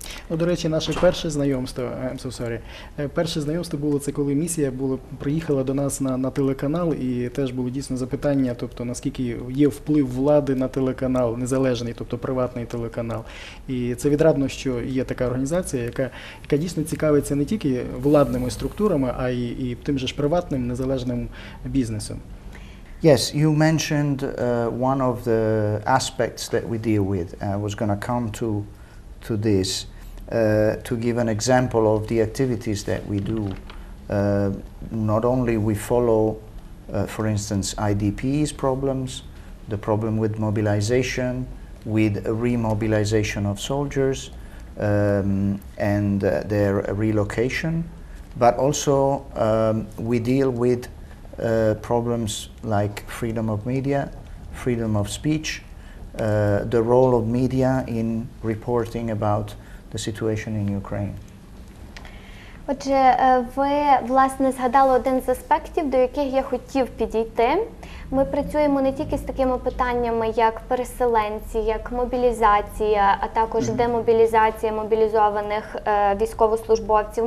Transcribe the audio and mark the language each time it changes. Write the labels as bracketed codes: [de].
[uk] Ну, до речі, наше перше знайомство, перше знайомство було це, коли місія приїхала до нас на телеканал, і теж було дійсно запитання, тобто, наскільки є вплив влади на телеканал, незалежний, тобто приватний телеканал. І це відрадно, що є така організація, яка дійсно цікавиться не тільки владними структурами, а й тим же ж приватним незалежним бізнесом. [en] Yes, you mentioned one of the aspects that we deal with. I was going to come to this. To give an example of the activities that we do. Not only we follow, for instance, IDPs problems, the problem with mobilization, with remobilization of soldiers and their relocation, but also we deal with problems like freedom of media, freedom of speech, the role of media in reporting about the situation in Ukraine. [uk] Отже, ви, власне, згадали один з аспектів, до яких я хотів підійти. Ми працюємо не тільки з такими питаннями, як переселенці, як мобілізація, а також демобілізація мобілізованих військовослужбовців.